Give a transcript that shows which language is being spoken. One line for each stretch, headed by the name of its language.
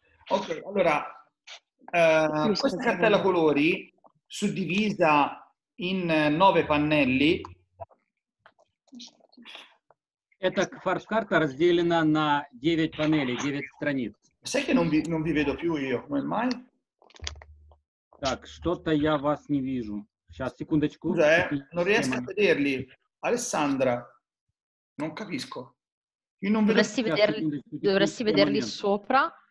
Italian: Ok, allora, questa cartella colori suddivisa in 9 pannelli. Questa farb carta
Russian: разделена на 9 панелей, 9 страниц.
Italian: Sai che non vi vedo più io, come mai?
Russian: Так, что-то я вас не вижу. Сейчас, секундочку.
Italian: Scusa, non riesco a vederli. Alessandra, non capisco. Io non dovresti vedo... vederli sopra.